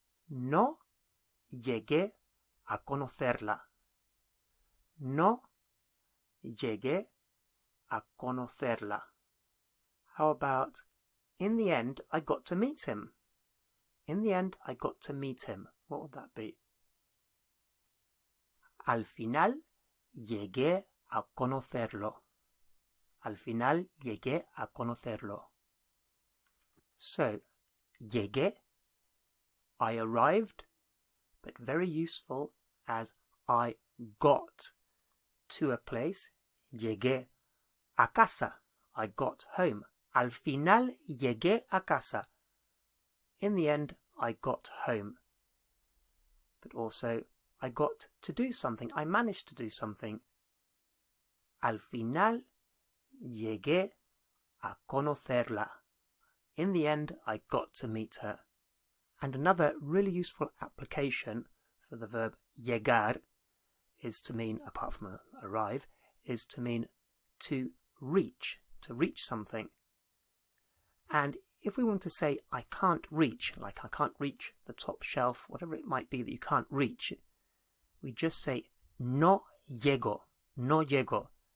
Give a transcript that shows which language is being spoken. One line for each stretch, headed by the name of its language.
Spanish: No llegué a conocerla. No llegué a conocerla.
English: How about, in the end, I got to meet him. In the end, I got to meet him. What would that be?
Spanish: Al final, llegué a conocerlo. Al final, llegué a conocerlo.
English: So, llegué, I arrived, but very useful as I got to a place.
Spanish: Llegué a casa.
English: I got home.
Spanish: Al final, llegué a casa.
English: In the end, I got home. But also, I got to do something. I managed to do something.
Spanish: Al final, llegué a conocerla.
English: In the end, I got to meet her. And another really useful application for the verb llegar is to mean, apart from arrive, is to mean to reach something. And if we want to say, I can't reach, like I can't reach the top shelf, whatever it might be that you can't reach, we just say,
Spanish: no llego, no llego.